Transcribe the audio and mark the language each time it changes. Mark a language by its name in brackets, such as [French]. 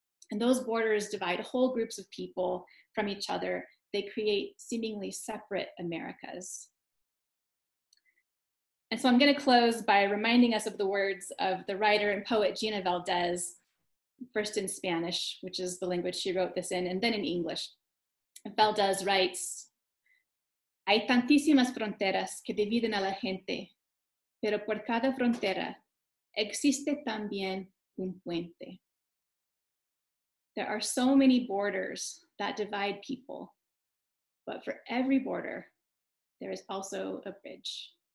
[English] And those borders divide whole groups of people from each other. They create seemingly separate Americas. And so I'm going to close by reminding us of the words of the writer and poet Gina Valdez, first in Spanish, which is the language she wrote this in, and then in English. Valdez writes, [Spanish] "Hay tantísimas fronteras que dividen a la gente, pero por cada frontera existe también un puente." [English] There are so many borders that divide people, but for every border, there is also a bridge.